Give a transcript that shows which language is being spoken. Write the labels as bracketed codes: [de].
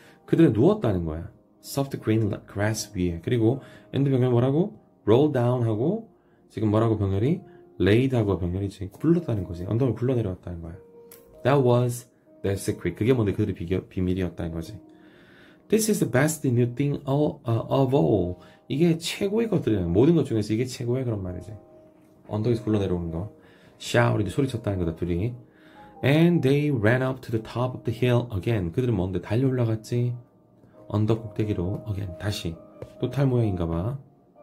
[ko] 그들은 누웠다는 거야. soft green grass 위에. 그리고 end 병렬 뭐라고? roll down 하고 지금 뭐라고 병렬이? laid 하고 병렬이 지금 굴렀다는 거지. 언덕을 굴러내려왔다는 거야. [en] That was their secret. [ko] 그게 뭔데? 그들의 비결, 비밀이었다는 거지. [en] This is the best new thing of all. [ko] 이게 최고의 것들이야. 모든 것 중에서 이게 최고야. 그런 말이지. 언덕에서 굴러내려오는 거. Shout 이렇게 소리쳤다는 거다 둘이. [en] And they ran up to the top of the hill again. [ko] 그들은 뭔데? 달려 올라갔지. 언덕 꼭대기로 again 다시 또탈 모양인가 봐.